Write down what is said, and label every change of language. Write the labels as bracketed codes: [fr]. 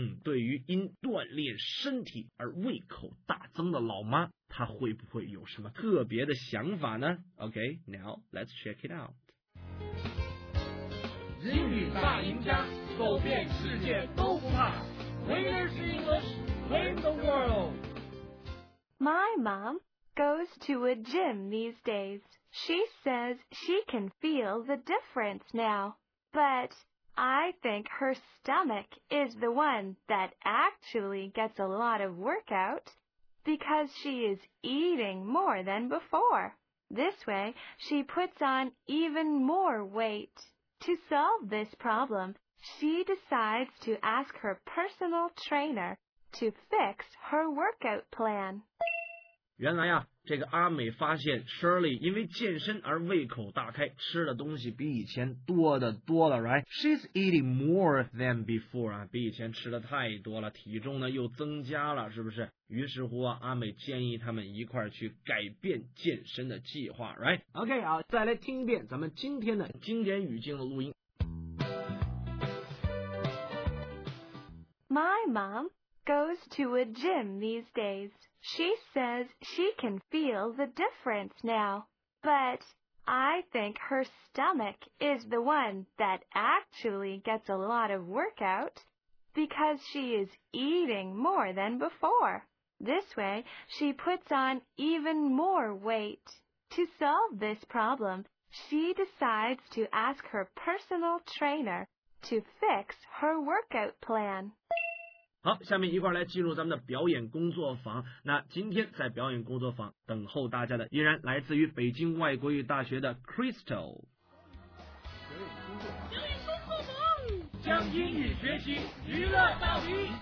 [zh] 对于因锻炼身体而胃口大增的老妈，她会不会有什么特别的想法呢 ？OK， [en] now let's check it out。 [zh] 英语大赢家，走遍世界都不怕。 [en] Winners English, win the world. My mom goes to a gym these days. She says she can feel the difference now. But I think her stomach is the one that actually gets a lot of workout because she is eating more than before. This way, she puts on even more weight. To solve this problem, she decides to ask her personal trainer to fix her workout plan. [zh] 原来呀，这个阿美发现 Shirley 因为健身而胃口大开，吃的东西比以前多的多了 ，right? [en] She's eating more than before [zh] 啊，比以前吃的太多了，体重呢又增加了，是不是？于是乎啊，阿美建议他们一块儿去改变健身的计划 ，right? OK 啊，再来听一遍咱们今天的经典语境的录音。 [en] My mom goes to a gym these days. She says she can feel the difference now. But I think her stomach is the one that actually gets a lot of workout because she is eating more than before. This way, she puts on even more weight. To solve this problem, she decides to ask her personal trainer to fix her workout plan. [zh] 好，下面一块来进入咱们的表演工作坊。那今天在表演工作坊等候大家的依然来自于北京外国语大学的 Crystal。表演工作坊，表演工作坊，将英语学习娱乐到底。